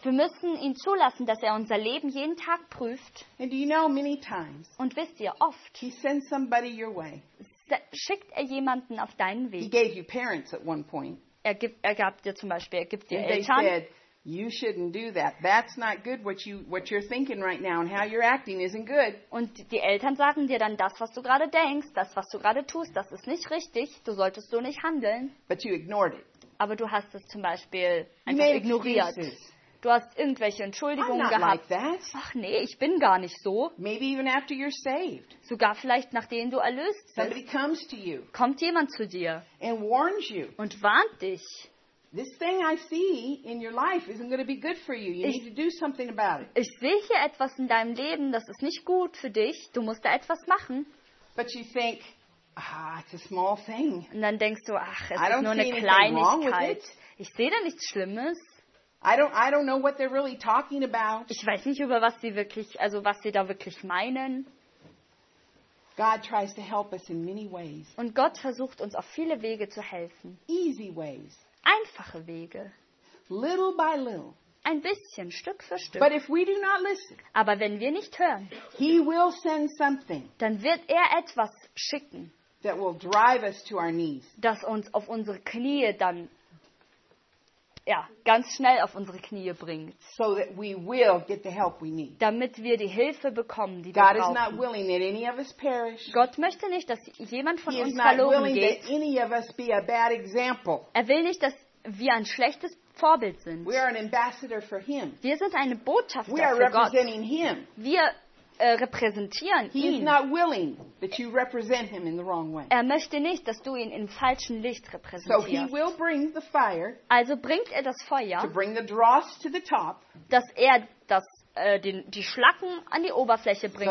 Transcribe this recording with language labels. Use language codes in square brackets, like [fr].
[de] Wir müssen ihn zulassen, dass unser Leben jeden Tag prüft. [en] And do you know, many times, [de] und wisst ihr, oft [en] he sends somebody your way. [de] Schickt jemanden auf deinen Weg. [en] He gave you parents at one point. [de] Er gibt dir [en] and [de] Eltern. [en] They said, you shouldn't do that. That's not good what you're thinking right now and how you're acting isn't good. [de] Und die Eltern sagen dir dann das, was du gerade denkst, das, was du gerade tust, das ist nicht richtig. Du solltest so nicht handeln. [en] But you ignored it. [de] Aber du hast es zum Beispiel einfach ignoriert. [en] Excuses. [de] Du hast irgendwelche Entschuldigungen gehabt. [en] Like that. [de] Ach nee, ich bin gar nicht so. [en] Maybe even after you're saved. [de] Sogar vielleicht nachdem du erlöst bist. [en] Somebody comes to you. [de] Kommt jemand zu dir. [en] And warns you. [de] Und warnt dich. [en] This thing I see in your life isn't going to be good for you. You need to do something about it. [de] Ich sehe hier etwas in deinem Leben, das ist nicht gut für dich. Du musst da etwas machen. [en] But you think, ah, it's a small thing. [de] Und dann denkst du, ach, es ist nur eine Kleinigkeit. Ich sehe da nichts Schlimmes. [en] I don't know what they're really talking about. [de] Ich weiß nicht, über was sie wirklich, also was sie da wirklich meinen. [en] God tries to help us in many ways. [de] Und Gott versucht uns auf viele Wege zu helfen. [en] Easy ways. [de] Einfache Wege. [en] Little by little. [de] Ein bisschen, Stück für Stück. [en] But if we do not listen, [de] aber wenn wir nicht hören, [en] he will send something, [de] dann wird er etwas schicken, [en] that will drive us to our knees. [de] Das uns auf unsere Knie dann, ja, ganz schnell auf unsere Knie bringt. [en] So that we will get the help we need. [de] Damit wir die Hilfe bekommen, die [en] God [de] wir brauchen. [en] Is not willing that any of us perish. [de] Gott möchte nicht, dass jemand von [en] He [de] uns [en] is not [de] verloren [en] willing [de] geht. [en] That any of us be a bad example. [de] Er will nicht, dass wir ein schlechtes Vorbild sind. [en] We are an ambassador for him. [de] Wir sind eine Botschafter [en] we are [de] für Gott. [en] Representing him. [de] Wir repräsentieren [en] He [de] ihn. [en] Is not willing that you represent him in the wrong way. [de] Er möchte nicht, dass du ihn im falschen Licht repräsentierst. [en] So he will bring the fire, [de] also bringt er das Feuer, [en] to bring the dross to the top, [de] dass er das, die Schlacken an die Oberfläche bringt,